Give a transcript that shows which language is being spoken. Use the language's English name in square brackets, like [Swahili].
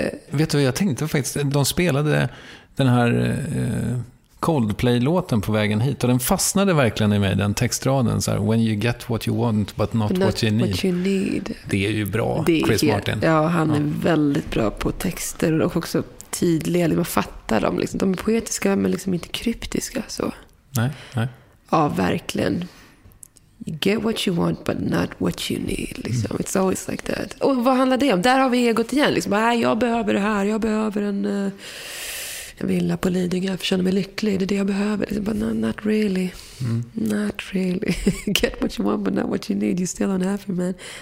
[Swedish] vet du vad jag tänkte faktiskt, de spelade den här Coldplay-låten på vägen hit, och den fastnade verkligen i mig, den textraden så här, [English] when you get what you want but not, not what, you need. What you need. [Swedish] Det är ju bra, det är Chris Martin. Ja, han är väldigt bra på texter och också tydliga, liksom, man fattar dem liksom. De är poetiska men liksom inte kryptiska så. Nej, nej. Ja, verkligen. [English] You get what you want but not what you need [Swedish] liksom. Mm. [English] It's always like that. [Swedish] Och vad handlar det om? Där har vi egot igen liksom. Nej, jag behöver det här, jag behöver en villa på Lidingö, jag känner mig lycklig, det är det jag behöver. [English] But not really. Mm. Not really. Get what you want but not what you need. You still don't have it, man.